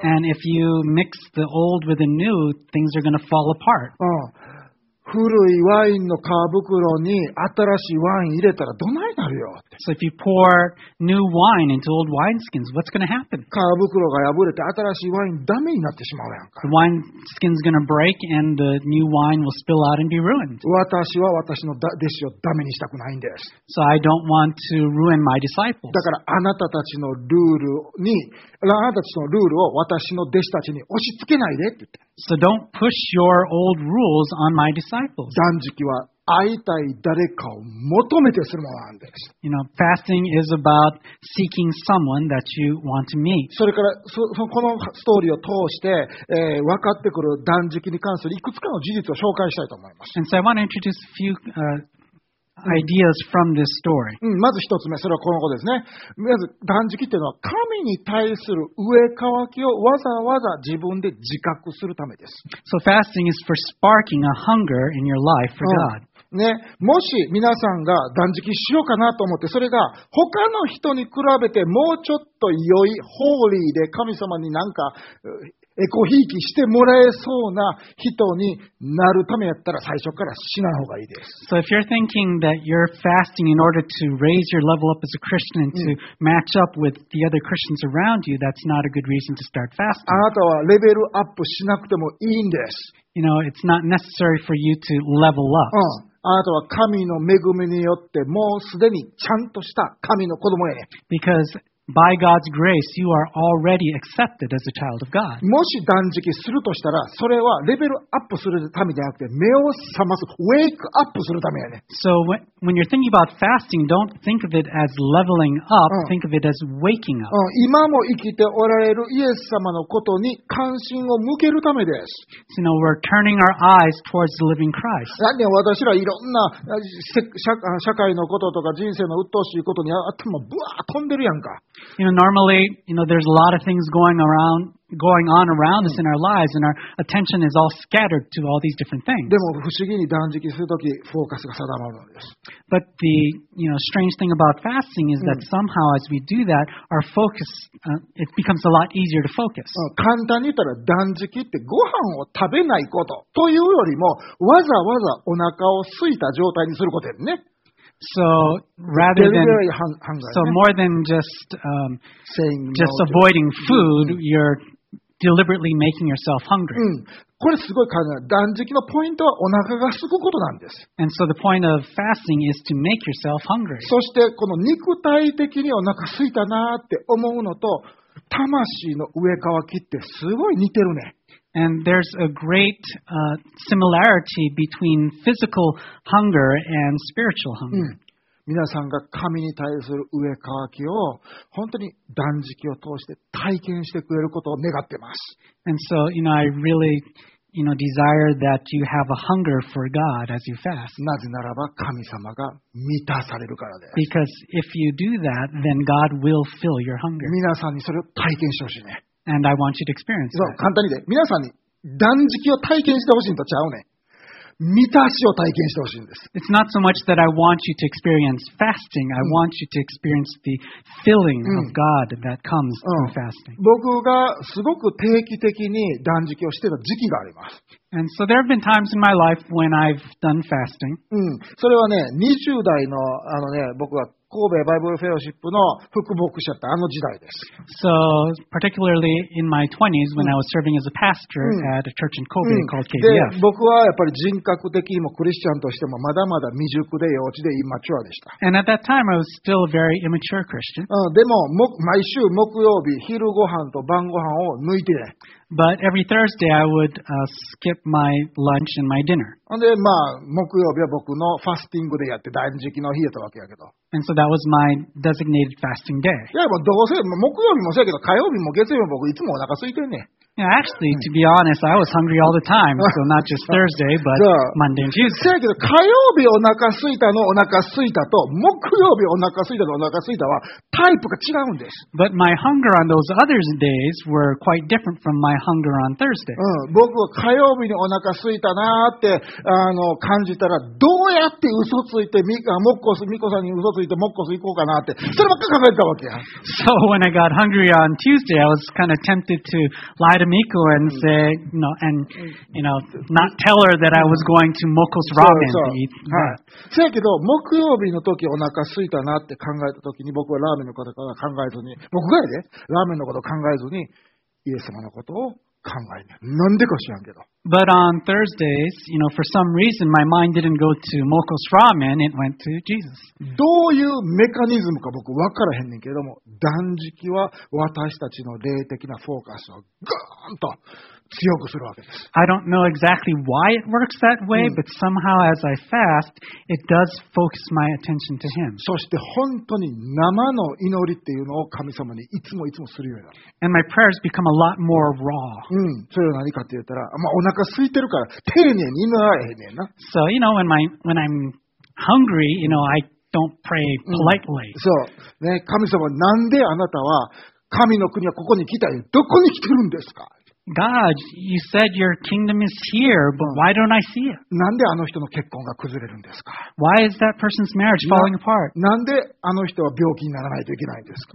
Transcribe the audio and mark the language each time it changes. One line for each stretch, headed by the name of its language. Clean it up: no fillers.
English: And if you mix the old with the new, things are going to fall apart.
Japanese: 古いワインの皮袋に新しいワイン入れたらどないなるよ。
English: So if you pour new wine into old wineskins, what's going to happen?
Japanese: 皮袋が破れて新しいワインダメになってしまうやんか。
English: The wineskin's going to break and the new wine will spill out and be ruined.
Japanese: 私は私の弟子をダメにしたくないんです。
English: So I don't want to ruin my disciples.
Japanese: だからあなたたちのルールに、あなたたちのルールを私の弟子たちに押し付けないでって言って。
English: So don't push your old rules on my disciples.
Japanese: 断食は会いたい誰かを求めてするものなんです。
English: You know, fasting is about seeking someone that you want to meet.
Japanese: それから、このストーリーを通して、分かってくる断食に関するいくつかの事実を紹介したいと思います。
English: And so I want to introduce a few, ideas from this story.
Japanese: まず一つ目、それはこの子ですね。まず断食っていうのは神に対する飢え渇きをわざわざ自分で自覚するためです。
English: So fasting is for sparking a hunger in your life for God.
Japanese: ね、もし皆さんが断食しようかなと思って、それが他の人に比べてもうちょっと良いホーリーで神様になんかエコヒーキしてもらえそうな人になるためやったら最初から死なほうがいいです。
English: So if you're thinking that you're fasting in order to raise your level up as a Christian and to match up with the other Christians around you, that's not a good reason to start fasting.
Japanese: あなたはレベルアップしなくてもいいんです。
English: You know, it's not necessary for you to level up.
Japanese: あなたは神の恵みによってもうすでにちゃんとした神の子供やね。
English: Because by God's grace, you are already accepted as a child of God.
Japanese: もし断食するとしたら、それはレベルアップするためじゃなくて、目を覚ます、
English: wake up
Japanese: するためやね。
English: So when you're thinking about fasting, don't think of it as leveling up, think of it as waking up.
Japanese: 今も生きておられるイエス様のことに関心を向けるためです。
English: So you know, we're turning our eyes towards the living Christ.
Japanese: 何で私らいろんな社会のこととか人生の鬱陶しいことに頭ブワー飛んでるやんか。
English: You know, normally, you know, there's a lot of things going on around us in our lives, and our attention is all scattered to all these different things.
Japanese: でも不思議に断食するとき、フォーカスが定まるんです。
English: But the, you know, strange thing about fasting is that somehow as we do that, our focus, it becomes a lot easier to focus.
Japanese: 簡単に言ったら断食ってご飯を食べないことというよりも、わざわざお腹を空いた状態にすることですね。
English: So rather than more than just saying just no avoiding food, you're deliberately making yourself hungry.
Japanese: これすごい簡単。断食のポイントはお腹が空くことなんです。
English: And so the point of fasting is to make yourself hungry.
Japanese: そしてこの肉体的にお腹空いたなって思うのと魂の上渇きってすごい似てるね。
English: And there's a great similarity between physical hunger and spiritual hunger.
Japanese: 皆さんが神に対する飢え渇きを本当に断食を通して体験してくれることを願ってます。
English: And so, you know, I really you know, desire that you have a hunger for God as you fast.
Japanese: なぜならば神様が満たされるからです。
English: Because if you do that, then God will fill your hunger.
Japanese: 皆さんにそれを体験してほしいね。
English: And I want you to experience that.
Japanese: 簡単にで、皆さんに断食を体験してほしいとちゃうね。満たしを体験してほしいんです。
English: It's not so much that I want you to experience fasting. I want you to experience the filling of God that comes through fasting.
Japanese: 僕がすごく定期的に断食をしてた時期があります。
English: And so there have been times in my life when I've done fasting.
Japanese: それはね、20代のあのね、僕は神戸バイブルフェローシップの副牧師だったあの時代です。
English: So particularly in my 20s when I was serving as a pastor at a church in Kobe called KBF.
Japanese: で、僕はやっぱり人格的にもクリスチャンとしてもまだまだ未熟で幼稚でインマチュアでした。
English: And at that time I was still a very immature Christian.
Japanese: でも毎週木曜日昼ご飯と晩ご飯を抜いて、ね。
English: But every Thursday I would skip my lunch and my dinner.
Japanese: で、まあ木曜日は僕のファスティングでやって断食の日やったわけやけど。
English: And so that was my designated fasting day.
Japanese: いや、もうどうせ木曜日もそうやけど、火曜日も月曜日も僕いつもお腹空いてんね。
English: Yeah, actually, to be honest, I was hungry all the time. So not just Thursday, but Monday and Tuesday.
Japanese: せやけど、火曜日お腹空いたのお腹空いたと、木曜日お腹空いたのお腹空いたはタイプが違うんです。
English: But my hunger on those other days were quite different from my hunger on Thursday.
Japanese: 僕は火曜日にお腹空いたなって感じたら、どうやって嘘ついて、みこさんに嘘ついて、もっこす行こうかなって、そればっか考えたわけや。
English: So when I got hungry on Tuesday, I was kind of tempted to lie to Miko and say, no, and you know, not tell her that I was going to Moko's ramen to eat.
Japanese: せやけど木曜日の時お腹空いたなって考えた時に僕はラーメンのことから考えずに僕がやでラーメンのことを考えずにイエス様のことを考えない。なんでか知らんけど。
English: But on Thursdays, you know, for some reason, my mind didn't go to Moko's ramen. It went to Jesus.
Japanese: どういうメカニズムか僕分からへんねんけども、断食は私たちの霊的なフォーカスをガーンと強くするわけです。
English: I don't know exactly why it works that way, but somehow as I fast, it does focus my attention to Him.
Japanese: そして本当に生の祈りっていうのを神様にいつもいつもするようになる。
English: And my prayers become a lot more raw.
Japanese: それは何かって言ったら、まあお腹空いてるから丁寧に祈られへんねんな。
English: So you know when I'm hungry, you know I don't pray politely.
Japanese: そうね、神様なんであなたは神の国はここに来たよ。どこに来てるんですか。
English: God, you said your kingdom is here, but why don't I see it?
Japanese: なんであの人の結婚が崩れるんですか。
English: Why is that person's marriage falling apart?
Japanese: なんであの人は病気にならないといけないんですか。